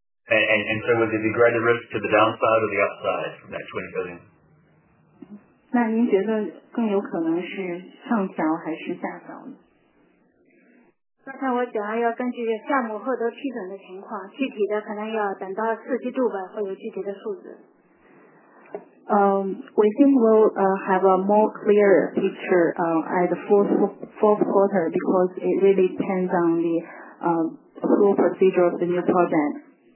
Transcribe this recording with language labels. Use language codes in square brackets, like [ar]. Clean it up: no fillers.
[en] And so would there be greater risk to the downside or the upside from that 20 billion? [zh] 那您觉得更有可能是上调还是下调呢？刚才我讲要根据项目后头批准的情况，具体的可能要等到四季度吧，会有具体的数字。 [en] We think we'll have a more clear picture at the fourth quarter because it really depends on the approval procedure of the new project.